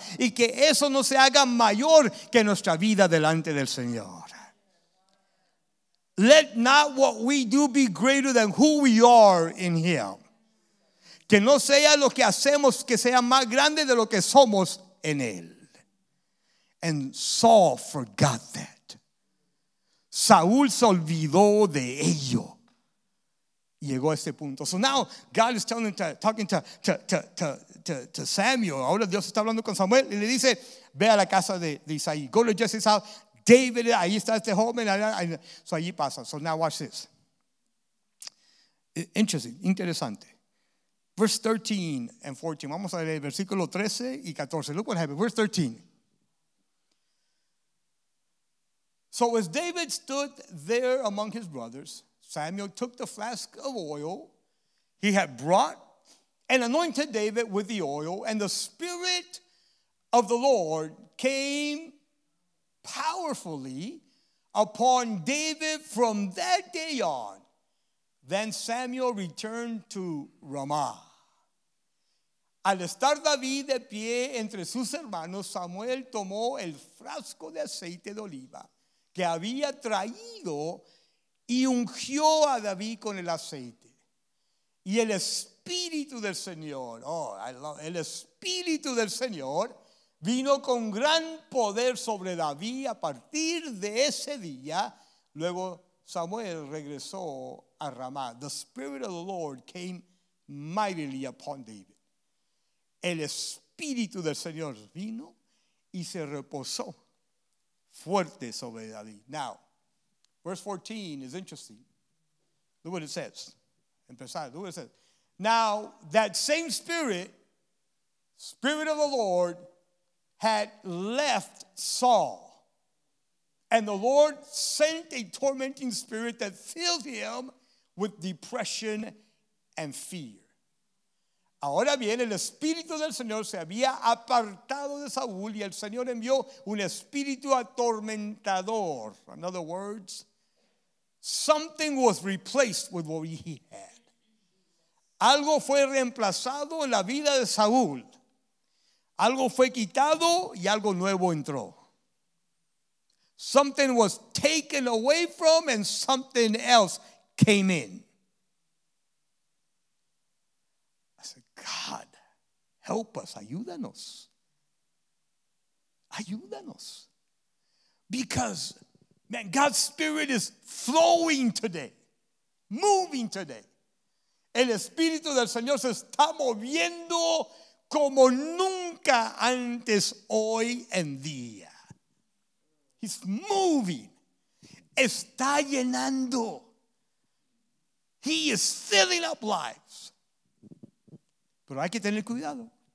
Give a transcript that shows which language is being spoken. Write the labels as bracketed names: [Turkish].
[Spanish] Y que eso no se haga mayor que nuestra vida delante del Señor. [English] Let not what we do be greater than who we are in Him. [Spanish] Que no sea lo que hacemos que sea más grande de lo que somos en Él. [English] And Saul forgot that. [Spanish] Saúl se olvidó de ello. Llegó a este punto. [English] So now God is talking to Samuel. [Spanish] Ahora Dios está hablando con Samuel y le dice, ve a la casa de Isaí. [English] Go to Jesse's house. [Spanish] David, ahí está este joven. [English] So [Spanish] allí pasa. [English] So now watch this. Interesting. [Spanish] Interesante. [English] Verse 13 and 14. [Spanish] Vamos a leer versículo 13 y 14. [English] Look what happened. Verse 13. So as David stood there among his brothers, Samuel took the flask of oil he had brought and anointed David with the oil, and the Spirit of the Lord came powerfully upon David from that day on. Then Samuel returned to Ramah. [Spanish] Al estar David de pie entre sus hermanos, Samuel tomó el frasco de aceite de oliva que había traído y ungió a David con el aceite. Y el Espíritu del Señor, el Espíritu del Señor vino con gran poder sobre David a partir de ese día. Luego Samuel regresó a Ramá. [English] The Spirit of the Lord came mightily upon David. [Spanish] El Espíritu del Señor vino y se reposó fuerte sobre David. [English] Now, verse 14 is interesting. Look what it says. [Spanish] Empezar, [English] look what it says. Now, that same Spirit of the Lord, had left Saul. And the Lord sent a tormenting spirit that filled him with depression and fear. [Spanish] Ahora bien, el Espíritu del Señor se había apartado de Saúl y el Señor envió un espíritu atormentador. [English] In other words, something was replaced with what he had. [Spanish] Algo fue reemplazado en la vida de Saúl. Algo fue quitado y algo nuevo entró. [English] Something was taken away from and something else came in. I said, God, help us, [Spanish] ayúdanos. Ayúdanos. [English] Because, man, God's Spirit is flowing today, moving today. [Spanish] El Espíritu del Señor se está moviendo como nunca antes hoy en día. [English] He's moving. [Spanish] Está llenando. [English] He is filling up lives. [Spanish] Pero hay que tener cuidado.